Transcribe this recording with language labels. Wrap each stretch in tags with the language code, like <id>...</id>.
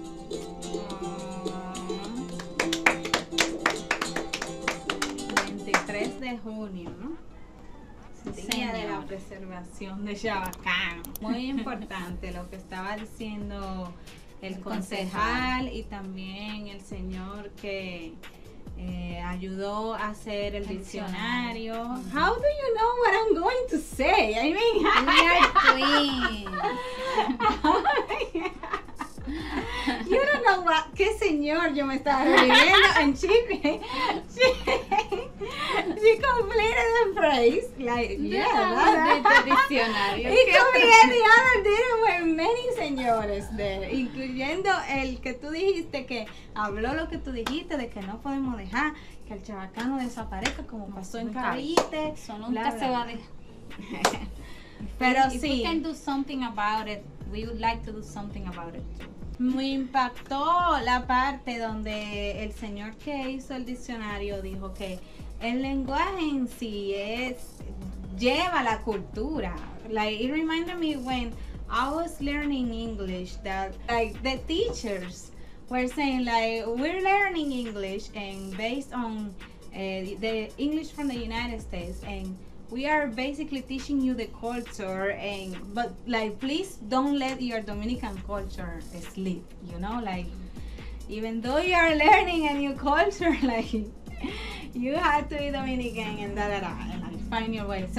<es>El 23 de junio, ¿no? Día de la preservación de Chavacano. Muy importante lo que estaba diciendo el concejal y también el señor que ayudó a hacer el diccionario.</es> <en>How do you know what I'm going to say? I mean, we are twins. Oh, yeah. You don't know what,</en> <es>qué señor yo me estaba refiriendo.</es> <en>And she completed the phrase. Like, yeah, that's the diccionario. It could be any other didn't wear many señores there,</en> <es>incluyendo el que tú dijiste que habló lo que tú dijiste de que no podemos dejar que el chavacano desaparezca como pasó en Cavite. Eso nunca se va a dejar. Pero</es> <en>if</en> <es>sí.</es> <en>If we can do something about it, we would like to do something about it too.</en> <es>Me impactó la parte donde el señor que hizo el diccionario dijo que el lenguaje en sí es lleva la cultura.</es> <en>Like, it reminded me when I was learning English that like the teachers were saying like we're learning English and based on the English from the United States and we are basically teaching you the culture and but like please don't let your Dominican culture sleep, you know, like even though you are learning a new culture, like you have to be Dominican and da da da and like find your way.</en>